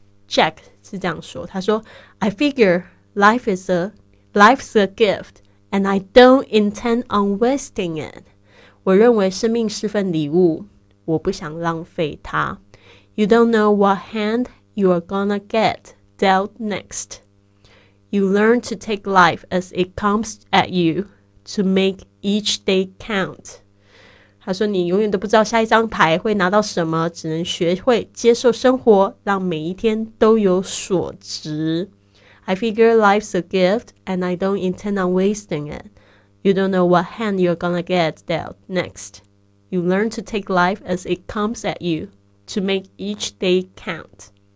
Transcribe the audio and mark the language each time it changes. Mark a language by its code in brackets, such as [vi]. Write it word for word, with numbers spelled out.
[en] Jack [zh] 是这样说，他说 [en] I figure life is a, life's a gift and I don't intend on wasting it. [zh] 我认为生命是份礼物，我不想浪费它。 [en] You don't know what hand you are gonna get dealt next. You learn to take life as it comes at you to make each day count. [zh] 他说你永远都不知道下一张牌会拿到什么，只能学会接受生活，让每一天都有所值。 [en] I figure life's a gift and I don't intend on wasting it. You don't know what hand you're gonna get dealt next. You learn to take life as it comes at you to make each day count.